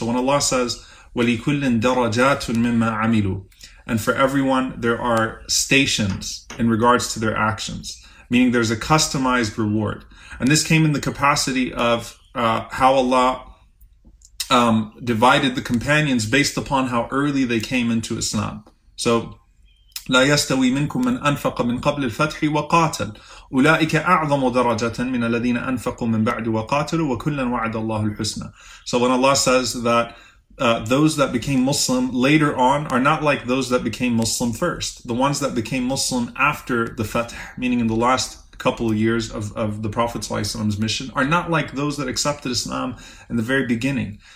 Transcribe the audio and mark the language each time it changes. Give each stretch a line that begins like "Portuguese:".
English: So when Allah says,
Arabic: وَلِكُلِّنْ دَرَجَاتٌ مِمَّا عَمِلُوا,
English: and for everyone, there are stations in regards to their actions, meaning there's a customized reward. And this came in the capacity of how Allah divided the companions based upon how early they came into Islam.
Arabic: So, لا يستوي منكم من أنفق من قبل الفتح وقاتل أولئك أعظم درجة من الذين أنفقوا من بعد وقاتلوا وكلا وعد الله الحسنى.
English: So when Allah says that those that became Muslim later on are not like those that became Muslim first. The ones that became Muslim after the Fath, meaning in the last couple of years of the Prophet ﷺ's mission, are not like those that accepted Islam in the very beginning.